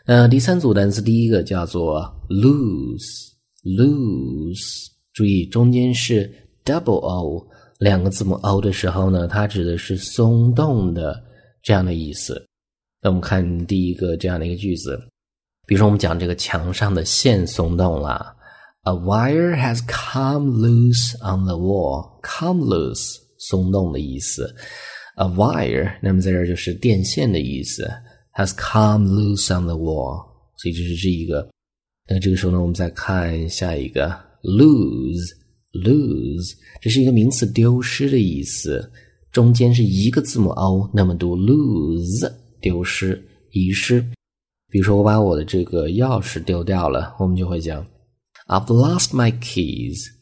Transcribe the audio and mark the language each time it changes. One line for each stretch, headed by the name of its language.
Chinese: 第三组单词第一个叫做 lose， 注意中间是Double O， 两个字母 O 的时候呢，它指的是松动的这样的意思。那我们看第一个这样的一个句子，比如说我们讲这个墙上的线松动了，
English: A wire has come loose on the wall。 Come loose，
Chinese: 松动的意思，
English: A wire，
Chinese: 那么在这就是电线的意思，
English: Has come loose on the wall。
Chinese: 所以这是这一个。那这个时候呢，我们再看下一个 lose， 这是一个名词，丢失的意思，中间是一个字母 O， 那么读 lose， 丢失，遗失。比如说我把我的这个钥匙丢掉了，我们就会讲
English: I've lost my keys。